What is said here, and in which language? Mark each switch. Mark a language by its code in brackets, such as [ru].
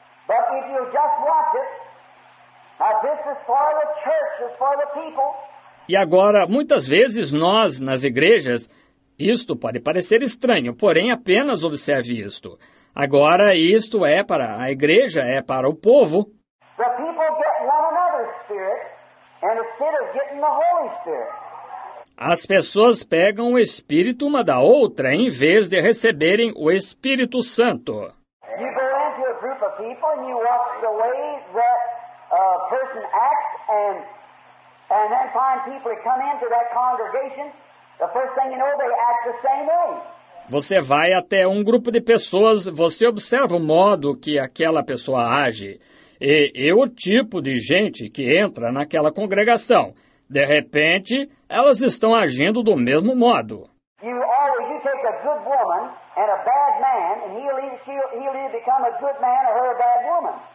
[en] But if you just watch it, now this is for the church, it's for the people. [pt] E agora, muitas vezes nós, nas igrejas, isto pode parecer estranho, porém apenas observe isto. Agora, isto é para a igreja, é para o povo. [en] The people get one another's spirit, and instead of getting the Holy Spirit. [pt] As pessoas pegam o Espírito uma da outra, em vez de receberem o Espírito Santo. [en] You go into a group of people and you watch the way that a person acts and then find people that come into that congregation, the first thing you know, they act the same way. [pt] Você vai até um grupo de pessoas, você observa o modo que aquela pessoa age e o tipo de gente que entra naquela congregação. De repente, elas estão agindo do mesmo modo. [en] You take a good woman and a bad man, and he'll become a good man or a bad woman.